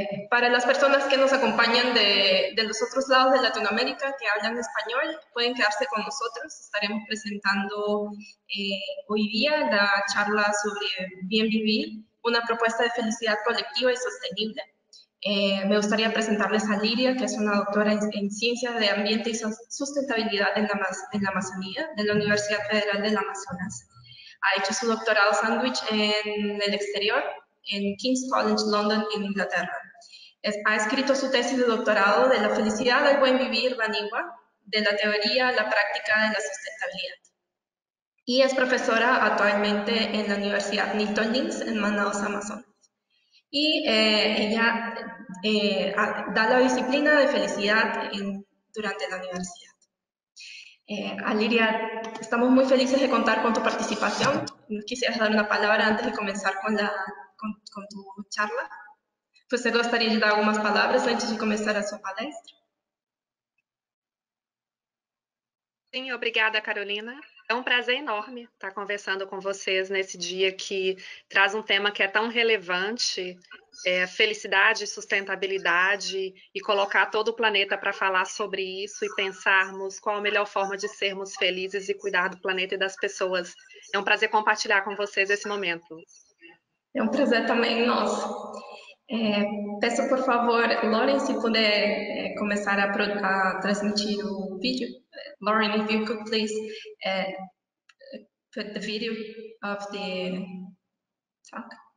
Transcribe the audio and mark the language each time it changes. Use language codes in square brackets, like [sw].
[pt] Para as pessoas que nos acompanham [es] de los [pt] outros lados de Latinoamérica, que falam espanhol, podem [es] quedarse [pt] com nós. Estaremos apresentando hoje dia a charla sobre Bien Vivir, uma proposta de felicidade coletiva e sostenível. [es] Me gustaría presentarles a Líria, que es una doctora en Ciencias de Ambiente y Sustentabilidad en la Amazonía, de la Universidad Federal del Amazonas. Ha hecho su doctorado sándwich en el exterior, en King's College London, en Inglaterra. Ha escrito su tesis de doctorado de la felicidad al buen vivir, Baniwa, de la teoría a la práctica de la sustentabilidad. Y es profesora actualmente en la Universidad Newtonense en Manaus, Amazonas. Y ella da la disciplina de felicidad durante la universidad. Líria, estamos muy felices de contar con tu participación. ¿Quisieras dar una palabra antes de comenzar con tu charla? Pues te gustaría dar algunas palabras antes de comenzar a su palestra. [pt] Sí, obrigada, Carolina. É um prazer enorme estar conversando com vocês nesse dia que traz um tema que é tão relevante, felicidade, sustentabilidade, e colocar todo o planeta para falar sobre isso e pensarmos qual a melhor forma de sermos felizes e cuidar do planeta e das pessoas. É um prazer compartilhar com vocês esse momento. É um prazer também nosso. Peço, por favor, Lauren, se puder começar a transmitir o vídeo. [en] Lauren, if you could please put the video of the talk.